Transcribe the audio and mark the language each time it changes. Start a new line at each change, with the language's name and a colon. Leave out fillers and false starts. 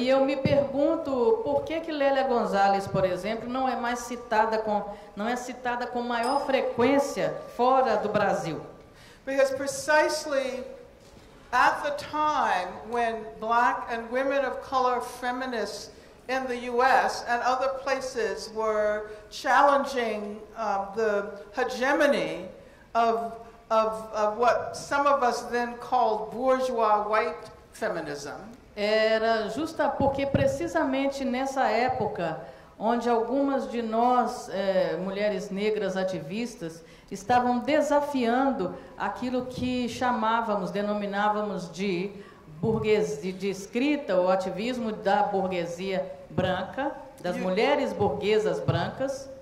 Portuguese: E eu me pergunto por que que Lélia Gonzalez, por exemplo, não é citada com maior frequência fora do Brasil.
English: Because precisely at the time when black and women of color feminists in the US and other places were challenging the hegemony of what some of us then called bourgeois white feminism.
Portuguese: Era justa porque precisamente nessa época onde algumas de nós mulheres negras ativistas estavam desafiando aquilo que denominávamos de burguesia de escrita ou ativismo da burguesia branca, das mulheres burguesas brancas.